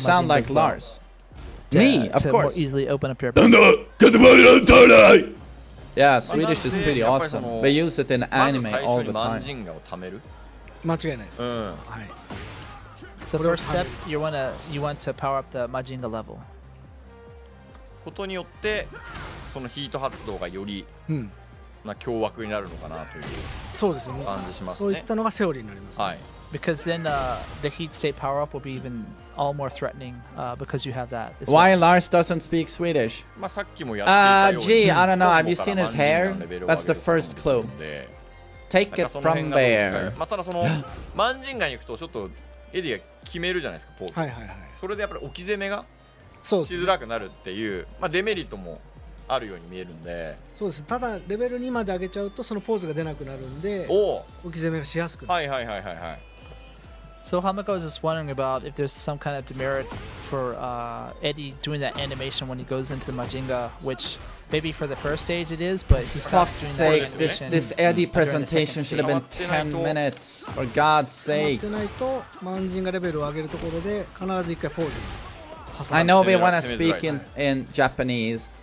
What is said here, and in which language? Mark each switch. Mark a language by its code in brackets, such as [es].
[en] Majinga. You sound like Lars. Me, of course. To more easily open up your brain. Yeah, Swedish is pretty awesome. They use it in anime all the time. [ja] 間違いないです。 [en] So first step, you want to power up the Majinga level. [ja] ことによってそのヒート発動がより、うん、な凶悪になるのかなという感じしますね。そういったのがセオリーになります、ね。はい。 [en] Because then the heat state power up will be even all more threatening because you have that. Why、well. Lars doesn't speak Swedish? [ja] まあさっきもやっていたように。 [en] Gee, I don't know. Have you seen his hair? That's the first clue. Take it from there. [ja] まあただそのマンジンガに行くとちょっとエディが決めるじゃないですかポーズ。はいはいはい。それでやっぱり置き攻めがそうしづらくなるっていう、まあ、デメリットもあるように見えるんで、そうです。ただレベル2まで上げちゃうとそのポーズが出なくなるんで、お置き攻めがしやすくなる。はいはいはいはいはい。 [en] So Hamako was just wondering about if there's some kind of demerit for Eddy doing that animation when he goes into the Majinga, which maybe for the first stage it is, but he stops doing that animation. For fuck's sake, this Eddy presentation should have been 10 minutes. For God's sake. I know they want to speak in Japanese.